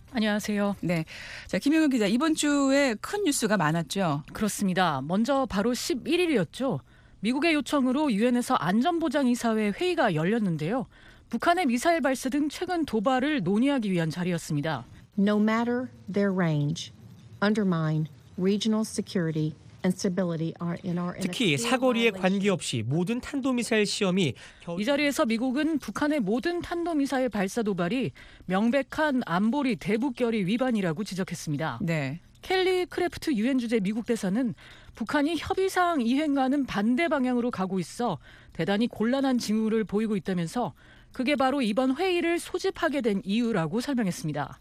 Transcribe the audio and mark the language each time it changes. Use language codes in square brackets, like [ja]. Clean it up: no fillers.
[ko] 안녕하세요. 네, 자 김영규 기자, 이번 주에 큰 뉴스가 많았죠? 그렇습니다. 먼저 바로 11일이었죠. 미국의 요청으로 유엔에서 안전보장이사회 회의가 열렸는데요. 북한의 미사일 발사 등 최근 도발을 논의하기 위한 자리였습니다. [en] No matter their range, undermine. Regional security and stability are in our [ko] 특히 사거리에 관계없이 모든 탄도미사일 시험이 이 자리에서 미국은 북한의 모든 탄도미사일 발사 도발이 명백한 안보리 대북결의 위반이라고 지적했습니다. 네. 켈리 크래프트 유엔 주재 미국 대사는 북한이 협의사항 이행과는 반대 방향으로 가고 있어 대단히 곤란한 징후를 보이고 있다면서 그게 바로 이번 회의를 소집하게 된 이유라고 설명했습니다.